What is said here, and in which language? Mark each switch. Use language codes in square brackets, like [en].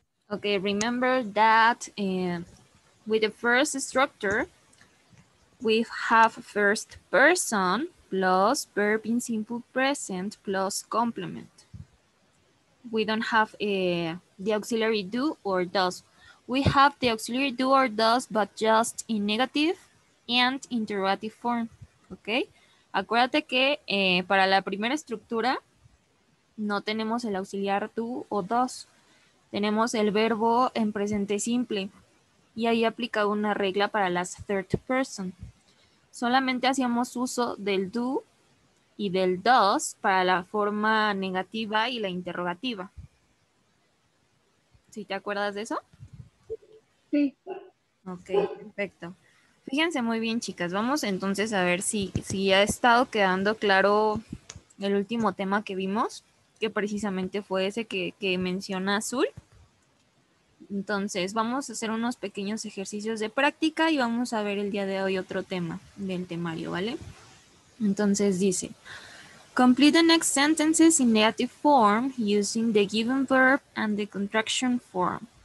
[en] Okay, remember that with the first structure we have first person plus verb in simple present plus complement. We don't have the auxiliary do or does. We have the auxiliary do or does, but just in negative and interrogative form. Okay? [es] Acuérdate que para la primera estructura no tenemos el auxiliar do o does. tenemos el verbo en presente simple y ahí aplicado una regla para las third person. Solamente hacíamos uso del do y del does para la forma negativa y la interrogativa. ¿Sí te acuerdas de eso? Sí. Ok, perfecto. Fíjense muy bien, chicas. Vamos entonces a ver si ha estado quedando claro el último tema que vimos, que precisamente fue ese que menciona Azul. Entonces, vamos a hacer unos pequeños ejercicios de práctica y vamos a ver el día de hoy otro tema del temario, ¿vale? Entonces dice, [en] complete the next sentences in negative form using the given verb and the contraction form.